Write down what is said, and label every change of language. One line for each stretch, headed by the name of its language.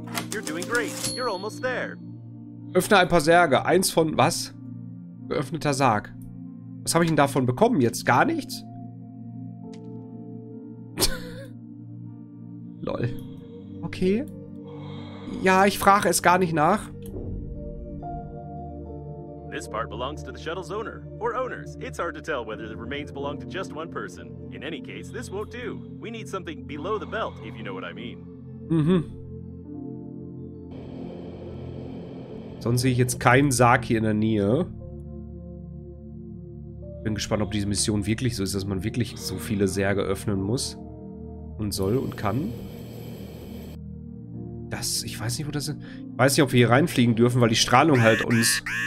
English: You're doing great. You're almost there.
German: Öffne ein paar Särge. Eins von was? Geöffneter Sarg. Was habe ich denn davon bekommen jetzt? Gar nichts? Lol. Okay. Ja, ich frage es gar nicht nach.
English: This part belongs to the shuttle's owner or owners. It's hard to tell whether the remains belong to just one person. In any case, this won't do. We need something below the belt, if you know what I mean. Mhm.
German: Sonst sehe ich jetzt keinen Sarg hier in der Nähe. Bin gespannt, ob diese Mission wirklich so ist, dass man wirklich so viele Särge öffnen muss und soll und kann. Das, ich weiß nicht, wo das ist. Ich weiß nicht, ob wir hier reinfliegen dürfen, weil die Strahlung halt uns...